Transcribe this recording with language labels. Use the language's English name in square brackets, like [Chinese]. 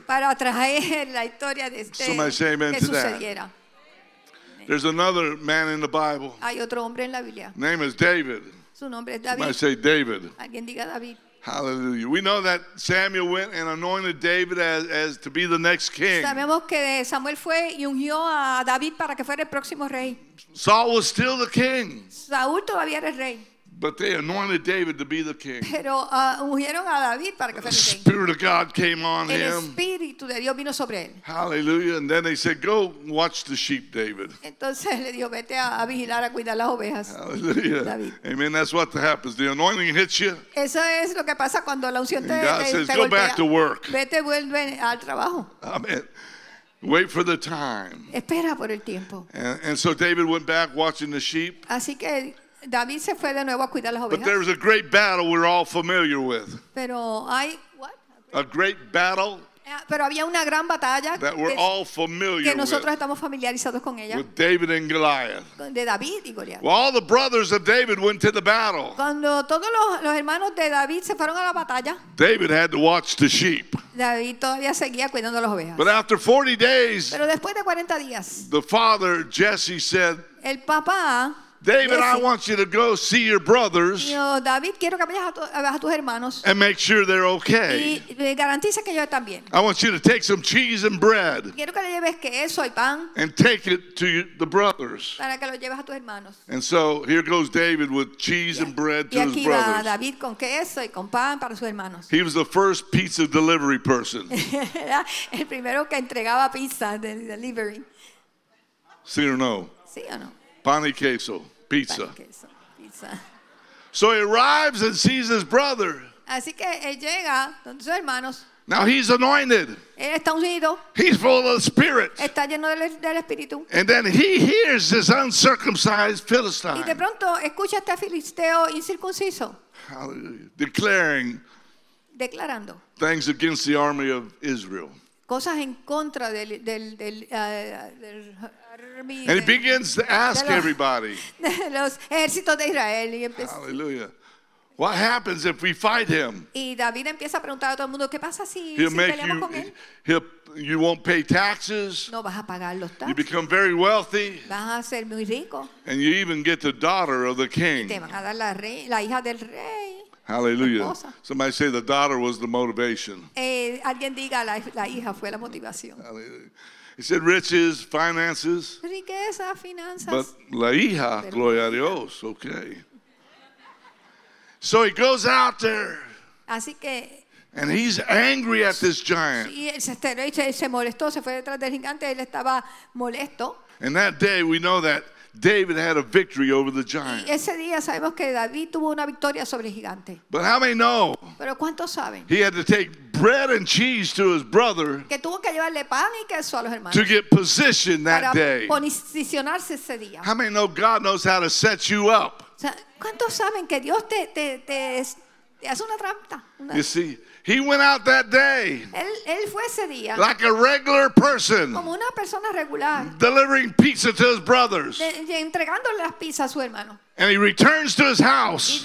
[Spanish] Para traer la historia de Esther. [English] Somebody say amen [Spanish] que [English] to [Spanish] sucediera. [English] That. There's another man in the Bible. [Spanish] Hay otro hombre en la Biblia. [English] Name is David. Somebody say David. [Spanish] Alguien diga David. [English] Hallelujah. We know that Samuel went and anointed David as to be the next king. [Spanish] Sabemos que Samuel fue y ungió a David para que fuera el próximo rey. [English] Saul was still the king. [Spanish] Saúl todavía era el rey. [English] But they anointed David to be the king. [Spanish] Pero ungieron a David para que fuera el rey. [English] The Spirit of God came on him. [Spanish] El Espíritu de Dios vino sobre él. [English] Hallelujah. And then they said, go watch the sheep, David. [Spanish] Entonces le dijo, vete a vigilar, a cuidar las ovejas. [English] Hallelujah. David. Amen. That's what happens. The anointing hits you. [Spanish] Eso es lo que pasa cuando la unción te golpea. [English] God says, go back to work. [Spanish] Vete, vuelve al trabajo. [English] Amen. Wait for the time. [Spanish] Espera por el tiempo. [English] And so David went back watching the sheep. [Spanish] Así que David se fue de nuevo a cuidar las ovejas. [English] But there was a great battle we're all familiar with. [Spanish] Pero hay, [English] a great battle. [Spanish] Pero había una gran batalla [English] that we're all familiar [Spanish] que nosotros [English] with, [Spanish] estamos familiarizados con ella. [English] With David and Goliath. [Spanish] De David y Goliath. [English] Well, all the brothers of David went to the battle. [Spanish] Cuando todos los hermanos de David se fueron a la batalla. [English] David had to watch the sheep. [Spanish] David todavía seguía cuidando las ovejas. [English] But after 40 days. [Spanish] Pero después de 40 días. [English] The father Jesse said. [Spanish] El papá. [English] David, I want you to go see your brothers. [Spanish] Yo, David, quiero que vayas a tus hermanos. [English] And make sure they're okay. [Spanish] Y garantiza que yo también. [English] I want you to take some cheese and bread. [Spanish] Quiero que le lleves queso y pan. [English] And take it to the brothers. [Spanish] Para que lo lleves a tus hermanos. [English] And so here goes David with cheese and bread to [Spanish] y aquí [English] his brothers. [Spanish] Va David con queso y con pan para sus hermanos. [English] He was the first pizza delivery person. [Spanish] Era el primero que entregaba pizza de delivery. Sí o no? Sí o no? Pan y queso, pizza. Pan y queso, pizza. [English] So he arrives and sees his brother. [Spanish] Así que él llega, donde sus hermanos. [English] Now he's anointed. [Spanish] Él está ungido. [English] He's full of the Spirit. [Spanish] Está lleno del Espíritu. [English] And then he hears this uncircumcised Philistine. [Spanish] Y de pronto escucha este filisteo incircunciso. [English] Declaring. [Spanish] Declarando. [English] Things against the army of Israel. [Spanish] Cosas en contra del [English] And he begins to ask everybody. [Spanish] Los ejércitos de Israel. [English] Hallelujah. What happens if we fight him? [Spanish] Y David empieza a preguntar a todo el mundo, ¿qué pasa si peleamos con él? [English] You won't pay taxes. [Spanish] No vas a pagar los taxes. [English] You become very wealthy. [Spanish] Vas a ser muy rico. [English] And you even get the daughter of the king. [Spanish] Y te van a dar la hija del rey. [English] Hallelujah. Somebody say the daughter was the motivation. [Spanish] Alguien diga la hija fue la motivación. [English] Hallelujah. He said, riches, finances. [Spanish] Riqueza, finanzas. [English] But [Spanish] la hija, pero gloria a Dios, [English] okay. So he goes out there. [Spanish] Así que, [English] and he's angry at this giant. [Spanish] Y se molestó, se fue detrás del gigante, él estaba molesto. [English] And that day we know that David had a victory over the giant. [Spanish] Y ese día sabemos que David tuvo una victoria sobre el gigante. [English] But how many know? [Spanish] Pero ¿cuántos saben? [English] He had to take bread and cheese to his brother. [Spanish] Que tuvo que llevarle pan y queso a los hermanos. [English] To get positioned that day. [Spanish] Para posicionarse ese día. [English] How many know God knows how to set you up? [Spanish] ¿Cuántos saben que Dios te hace una trampa? [English] You see, he went out that day. [Spanish] Él fue ese día. [English] Like a regular person. [Spanish] Como una persona regular. [English] Delivering pizza to his brothers. [Spanish] Entregándole las pizzas a su hermano. [English] And he returns to his house.